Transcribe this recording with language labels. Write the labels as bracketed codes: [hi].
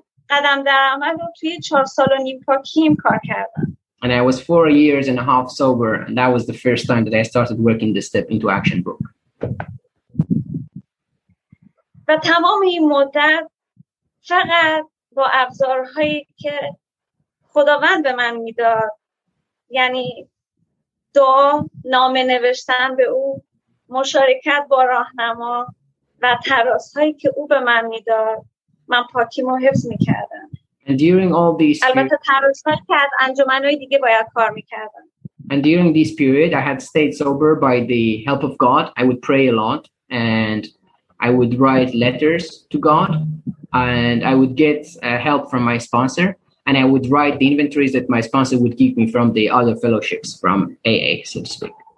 [fa] قدم در عمل رو توی 4 سال و نیم پاکیم کار کردم. [en] And I was 4 years and a half sober, and that was the first time that I started working the Step into Action book. [fa] و تمام این مدت فقط با ابزارهایی که خداوند به من میداد. یعنی دعا، نامه نوشتن به او، مشارکت با راهنما و تراس هایی که او به من میداد، من پاکیمو حفظ میکردم. [en] And during all these [fa] البته تراس هایی که از انجمن های دیگه باید کار میکردم. [en] And during this period, I had stayed sober by the help of God. I would pray a lot and I would write letters to God and I would get help from my sponsor and I would write the inventories that my sponsor would give me from the other fellowships, from AA, so to speak.